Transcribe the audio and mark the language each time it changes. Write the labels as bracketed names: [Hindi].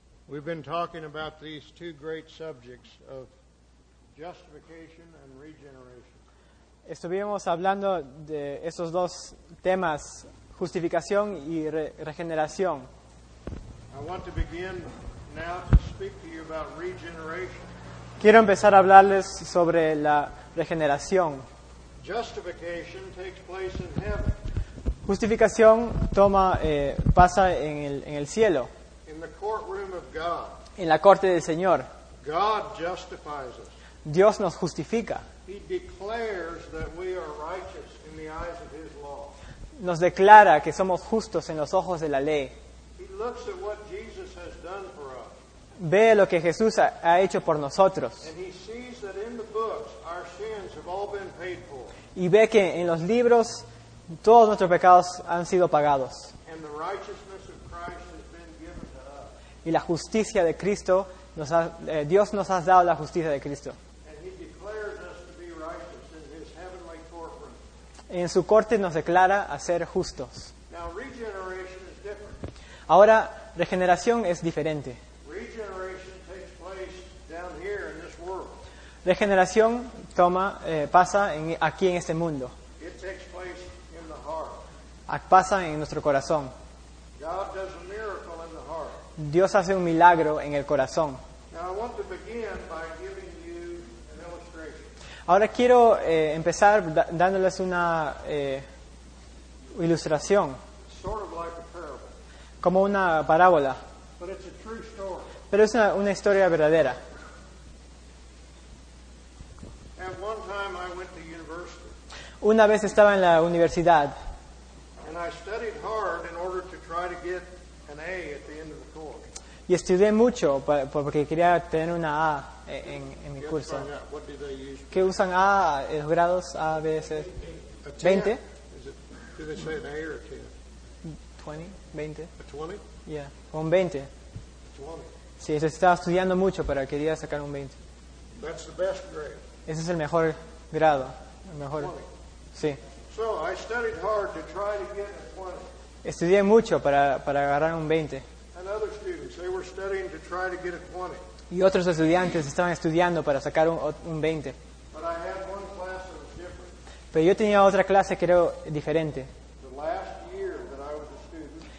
[English] We've been talking about these two great subjects of justification and regeneration. [Spanish] Estuvimos hablando de esos dos temas, justificación y regeneración. [English] I want to begin now to speak to you about regeneration. [Spanish] Quiero empezar a hablarles sobre la regeneración. [English] Justification takes place in heaven. [Spanish] Justificación toma pasa en el cielo. [English] In the courtroom of God. [Spanish] En la corte del Señor. [English] God justifies us. [Spanish] Dios nos justifica. [English] He declares that we are righteous in the eyes of his law. [Spanish] Nos declara que somos justos en los ojos de la ley. [English] He looks at what Jesus has done for us. [Spanish] Ve lo que Jesús ha hecho por nosotros. [English] And he sees that in the books our sins have all been paid for. [Spanish] Y ve que en los libros todos nuestros pecados han sido pagados. [English] And the righteousness of Christ has been given to us. [Spanish] Y la justicia de Cristo, Dios nos ha dado la justicia de Cristo. [English] And he declares us to be righteous in his heavenly courtroom. [Spanish] En su corte nos declara a ser justos. [English] Now, regeneration is different. [Spanish] Ahora, regeneración es diferente. [English] Regeneration takes place down here in this world. [Spanish] Regeneración pasa aquí en este mundo. [English] It takes place in the heart. [Spanish] Pasa en nuestro corazón. [English] God does a miracle in the heart. [Spanish] Dios hace un milagro en el corazón. [English] Now I want to begin by giving you an illustration. [Spanish] Ahora quiero empezar dándoles una ilustración. [English] Sort of like a parable. [Spanish] Como una parábola. [English] But it's a true story. [Spanish] Pero es una historia verdadera. [English] At one time I went to university. [Spanish] Una vez estaba en la universidad. [English] And I studied hard in order to try to get an A at the end of the course. [Spanish] Y estudié mucho porque quería tener una A en mi curso. [English] What do they use? [Spanish] ¿Qué usan A, los grados A, B, C? A 20? [English] Do they say an A or a 10? [Spanish] 20, 20. [English] A 20? [Spanish] Yeah, con 20. Sí, eso estaba estudiando mucho, pero quería sacar un 20. [English] That's the best grade. [Spanish] Ese es el mejor grado. El mejor. [English] 20. [Spanish] Sí. [English] So I studied hard to try to get a 20. [Spanish] Estudié mucho para agarrar un 20. [English] And other students, they were studying to try to get a 20. [Spanish] Y otros estudiantes estaban estudiando para sacar un 20. [English] But I had one class that was different. [Spanish] Pero yo tenía otra clase que era diferente. [English] The last year that I was a student,